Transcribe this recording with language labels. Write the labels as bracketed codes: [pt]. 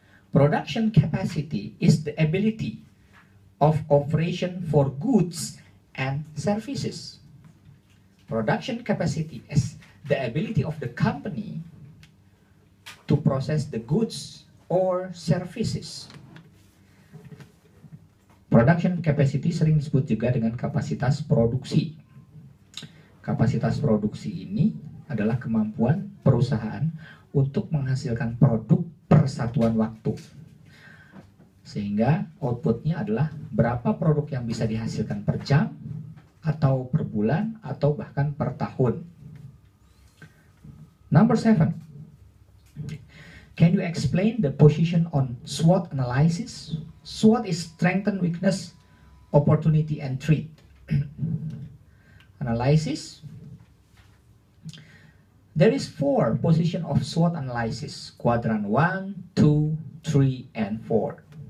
[en] Production capacity is the ability of operation for goods and services. Production capacity is the ability of the company to process the goods or services. [id] Production capacity sering disebut juga dengan kapasitas produksi. Kapasitas produksi ini adalah kemampuan perusahaan untuk menghasilkan produk per satuan waktu. Sehingga outputnya adalah berapa produk yang bisa dihasilkan per jam, atau per bulan, atau bahkan per tahun. [en] Number 7. Can you explain the position on SWOT analysis? SWOT is strength, weakness, opportunity, and threat. Analysis. There is 4 position of SWOT analysis. Quadrant 1, 2, 3, and 4.